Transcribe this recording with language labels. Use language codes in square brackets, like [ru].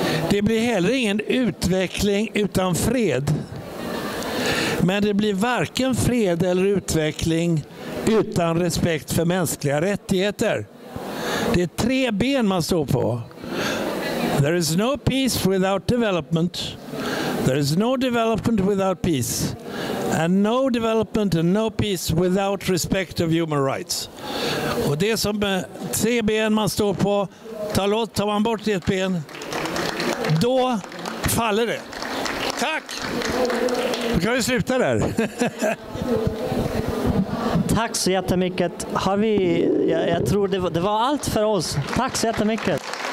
[sv] Det blir heller ingen utveckling utan fred. Men det blir varken fred eller utveckling utan respekt för mänskliga rättigheter. Det är tre ben man står på. [en] There is no peace without development. There is no development without peace. And no development and no peace without respect of human rights. [sv] Och det som är tre ben man står på, tar man bort ett ben, då faller det. Tack! Då kan vi sluta där. Tack så jättemycket. Jag tror det var allt för oss. Tack så jättemycket.